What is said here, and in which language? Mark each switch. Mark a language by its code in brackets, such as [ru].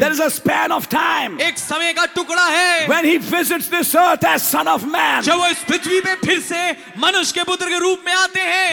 [en] there is a span of time, [hi] एक समय का टुकड़ा है, [en] when he visits this earth as son of man, [hi] जब वो इस पृथ्वी पे फिर से मनुष्य के पुत्र के रूप में आते हैं.